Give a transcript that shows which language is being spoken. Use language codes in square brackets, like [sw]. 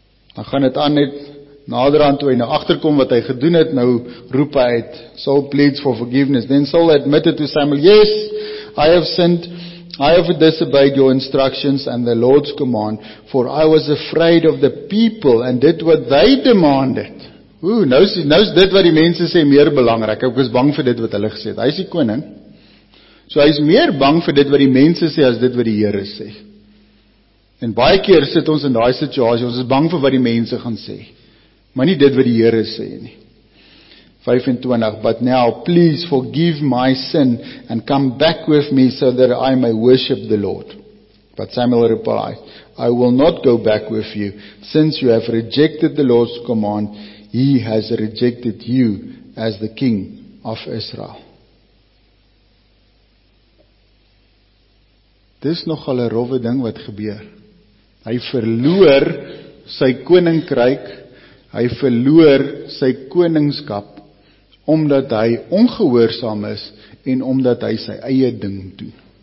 [af] Dan gaan het aan net naderhand toe hy nou agterkom wat hy gedoen het, nou roep hy uit, [en] Saul pleads for forgiveness. Then Saul admitted to Samuel, yes, I have disobeyed your instructions and the Lord's command, for I was afraid of the people and did what they demanded. [af] Nou is dit wat die mense sê meer belangrik. Ek was bang vir dit wat hulle gesê het. Hy is die koning. So hy is meer bang vir dit wat die mense sê as dit wat die Here sê. En baie keer sit ons in daai situasie, ons is bang vir wat die mense gaan sê. Maar nie dit wat die Here sê nie. [en] 25, but now please forgive my sin and come back with me so that I may worship the Lord. But Samuel replied, I will not go back with you. Since you have rejected the Lord's command, he has rejected you as the king of Israel. [af] Dis nogal 'n rowwe ding wat gebeur. Hy verloor sy koninkryk, hy verloor sy koningskap, omdat hy ongehoorsaam is en omdat hy sy eie ding doen.